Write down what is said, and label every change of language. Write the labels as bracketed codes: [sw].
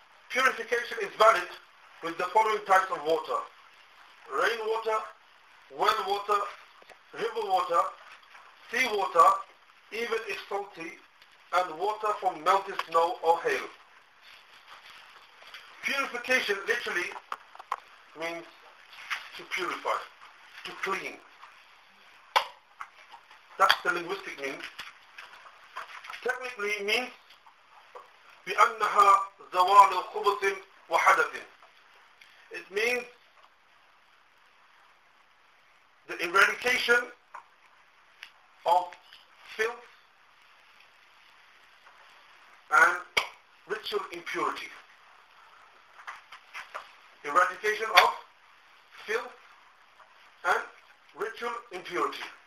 [en] Purification is valid with the following types of water: rainwater, well water, river water, sea water, even if salty, and water from melted snow or hail. Purification literally means to purify, to clean. That's the linguistic meaning. technically means [ar] بأنها زوال خبث وحدث. [en] It means the eradication of filth and ritual impurity. Eradication of filth and ritual impurity.